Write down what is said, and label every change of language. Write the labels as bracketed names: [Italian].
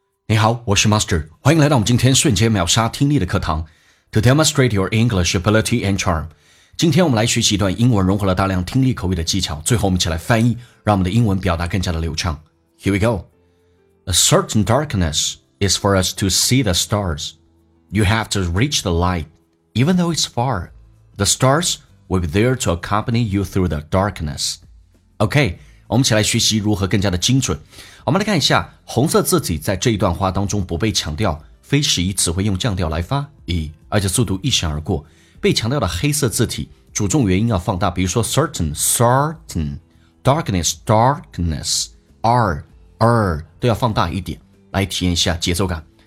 [Chinese] 你好，我是 Master， 欢迎来到我们今天瞬间秒杀听力的课堂 [English] To demonstrate your English ability and charm。 [Chinese] 今天我们来学习一段英文融合了大量听力口语的技巧，最后我们一起来翻译，让我们的英文表达更加的流畅。 [English] Here we go. A certain darkness is for us to see the stars. You have to reach the light, even though it's far. The stars will be there to accompany you through the darkness. Okay. [Chinese] 我们一起来学习如何更加的精准。我们来看一下红色字体在这一段话当中不被强调，非使以词汇用降调来发，而且速度一闪而过。被强调的黑色字体主重元音要放大，比如说 certain, certain, darkness, darkness, r, r, 都要放大一点，来体验一下节奏感。